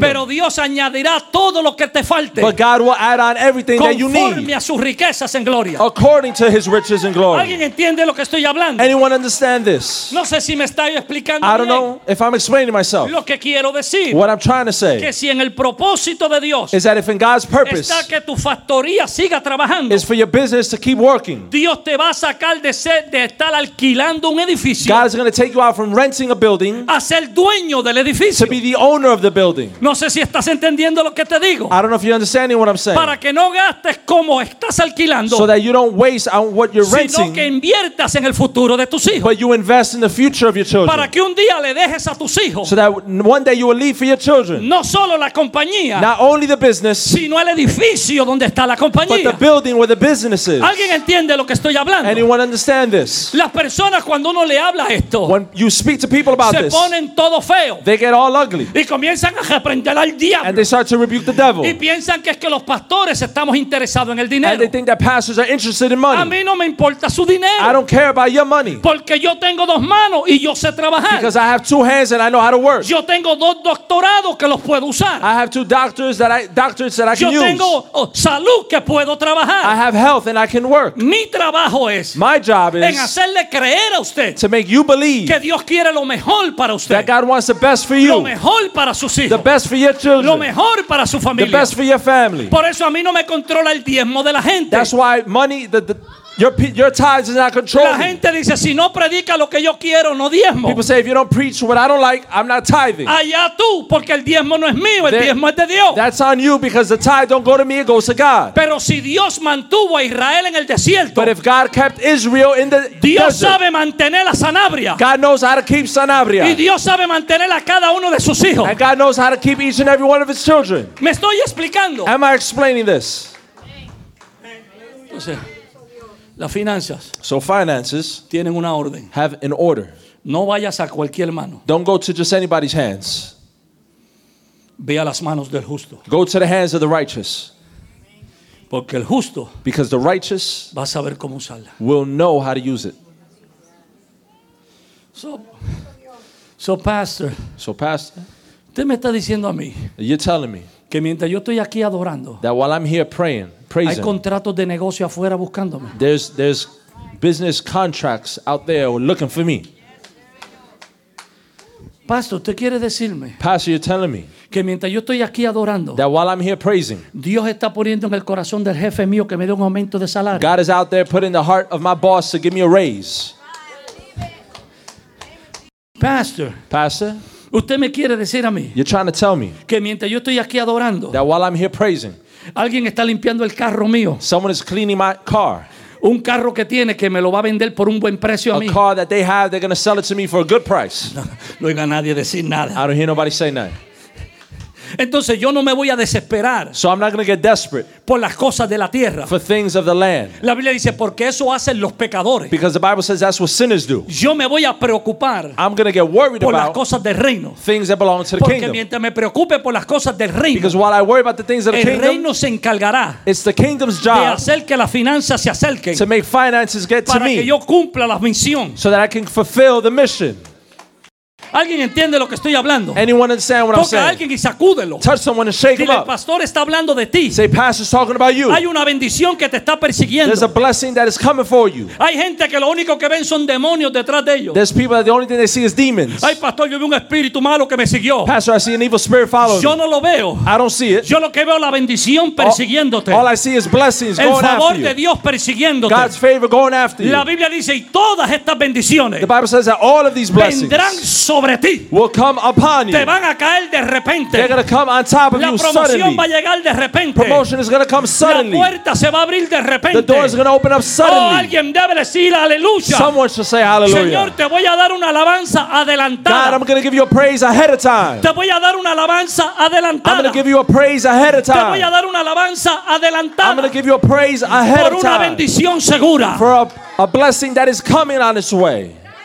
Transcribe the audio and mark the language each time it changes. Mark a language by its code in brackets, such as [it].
[es] Pero Dios añadirá todo lo que te falte. [en] But God will add on everything that you need. [es] Conforme a sus riquezas en gloria. [en] According to his riches in glory. [es] ¿Alguien entiende lo que estoy hablando? [en] Anyone understand this? [es] No sé si me estoy explicando bien. [en] I don't know if I'm explaining myself. [es] Lo que quiero decir, [en] what I'm trying to say, [es] que si en el propósito de Dios, [en] is that if in God's purpose [es] está que tu factoría siga trabajando, [en] is for your business to keep working, [es] Dios te va a sacar de ser, de estar alquilando un edificio, [en] God's going to take you out from renting a building, [es] a ser dueño del edificio, [en] to be the owner of the building. [es] No sé si estás entendiendo lo que te digo. [en] I don't know if you're understanding what I'm saying. [es] Para que no gastes como estás alquilando, [en] so that you don't waste on what you're renting, [es] sino que inviertas en el futuro de tus hijos, [en] but you invest in the future of your children. [es] Para que un día le dejes a tus hijos, [en] so that one day you will leave for your children, [es] no solo la compañía, [en] not only the business, [es] sino el edificio donde está la compañía, [en] but the building where the business is. [es] ¿Alguien entiende lo que estoy hablando? [en] Anyone understand this? [es] Las personas, cuando uno le habla esto, [en] when you speak to people about [es] se [en] this, [es] ponen todo feo, [en] they get all ugly, [es] y comienzan a reprender al diablo, [en] and they start to rebuke the devil, [es] y piensan que es que los pastores estamos interesados en el dinero, [en] and they think that pastors are interested in money. [es] A mí no me importa su dinero, [en] I don't care about your money, [es] porque yo tengo dos manos y yo sé trabajar, [en] because I have two hands and I know how to work. [es] Yo tengo dos doctorados que los puedo usar. [en] I have two doctors that I can use. [es] Yo tengo salud que puedo trabajar. [en] I have health and I can work. [es] Mi trabajo es, [en] my job is, [es] en hacerle creer a usted, [en] to make you believe, [es] que Dios quiere lo mejor para usted, [en] that God wants the best for you, [es] lo mejor para sus hijos, [en] the best for your children, [es] lo mejor para su familia, [en] the best for your family. [es] Por eso a mí no me controla el diezmo de la gente. [en] That's why money, your tithes is not controlling. [es] La gente dice, si no predica lo que yo quiero, no diezmo. [en] People say, if you don't preach what I don't like, I'm not tithing. [es] Allá tú, porque el diezmo no es mío, el diezmo es de Dios. [en] That's on you, because the tithe don't go to me, it goes to God. [es] Pero si Dios mantuvo a Israel en el desierto, [en] but if God kept Israel in the [es] Dios [en] desert, [es] sabe mantener a Sanabria, [en] God knows how to keep Sanabria, [es] y Dios sabe mantener a cada uno de sus hijos, [en] and God knows how to keep each and every one of his children. [es] ¿Me estoy explicando? [en] Am I explaining this? [es] O sea, las finanzas, [en] so finances, [es] tienen una orden, [en] have an order. [es] No vayas a cualquier mano. [en] Don't go to just anybody's hands. [es] Ve a las manos del justo. [en] Go to the hands of the righteous. [es] Porque el justo, [en] because the righteous, [es] va a saber cómo usarla, [en] will know how to use it. [es] So pastor, usted me está diciendo a mí, [en] you're telling me, [es] que mientras yo estoy aquí adorando, [en] that while I'm here praying, [es] hay contratos de negocio afuera buscándome. [en] There's business contracts out there looking for me. [es] Pastor, ¿usted quiere decirme? [en] Pastor, you're telling me. [es] Que mientras yo estoy aquí adorando, [en] that while I'm here praising, [es] Dios está poniendo en el corazón del jefe mío que me dé un aumento de salario. [en] God is out there putting the heart of my boss to give me a raise. [es] Pastor. ¿Usted me quiere decir a mí? [en] You're trying to tell me. [es] Que mientras yo estoy aquí adorando, [en] that while I'm here praising, [es] alguien está limpiando el carro mío. [en] Someone is cleaning my car. [es] Un carro que tiene que me lo va a vender por un buen precio a mí. [en] A car that they have, they're going to sell it to me for a good price. [es] No oiga nadie decir nada. [en] I don't hear nobody say nothing. [es] Entonces yo no me voy a desesperar. [en] So I'm not going to get desperate. [es] Por las cosas de la tierra. [en] For things of the land. [es] La Biblia dice, porque eso hacen los pecadores. [en] Because the Bible says that's what sinners do. [es] Yo me voy a preocupar. [en] I'm going to get worried [es] por [en] about [es] las cosas del reino. [en] Things that belong to the [es] porque [en] kingdom. [es] Mientras me preocupe por las cosas del reino. [en] Because while I worry about the things of the [es] el [en] kingdom. [es] El reino se encargará. [en] It's the kingdom's job. [es] De hacer que las finanzas se acerquen. [en] To make finances get to me. [es] Para que yo cumpla la misión. [en] So that I can fulfill the mission. [es] ¿Alguien entiende lo que estoy hablando? [en] Anyone understand what [es] Toca [en] I'm saying? [es] Toca alguien y sacúdelo. [en] Touch someone and shake [es] Dile, [en] them up. [es] El pastor está hablando de ti. [en] Say, pastor's talking about you. [es] Hay una bendición que te está persiguiendo. [en] There's a blessing that is coming for you. [es] Hay gente que lo único que ven son demonios detrás de ellos. [en] There's people that the only thing they see is demons. [es] Ay, pastor, yo vi un espíritu malo que me siguió. [en] Pastor, I see an evil spirit following [es] Yo no lo veo. [en] I don't see it. [es] Yo lo que veo la bendición persiguiéndote. [en] All I see is blessings going after you. [es] El favor de Dios persiguiéndote. [en] God's favor going after you. [es] La Biblia dice y todas estas bendiciones. [en] The Bible says that all of these blessings [es] vendrán sobre ti. [en] Will come upon you. [es] Te van a caer de repente. [en] They're gonna come on top of [es] la [en] you suddenly. [es] La promoción va a llegar de repente. [en] Promotion is gonna come suddenly. [es] La puerta se va a abrir de repente. [en] The door is gonna open up suddenly. [es] Oh, alguien debe decir aleluya. [en] Someone should say hallelujah. [es] Señor, te voy a dar una alabanza adelantada. [en] God, I'm gonna give you a praise ahead of time. [es] Te voy a dar una alabanza adelantada. [en] I'm gonna give you a praise ahead of time. [es] Te voy a dar una alabanza adelantada. [en] I'm gonna give you a praise ahead of time. [es] Por una bendición segura. [en] For a blessing that is coming on its way.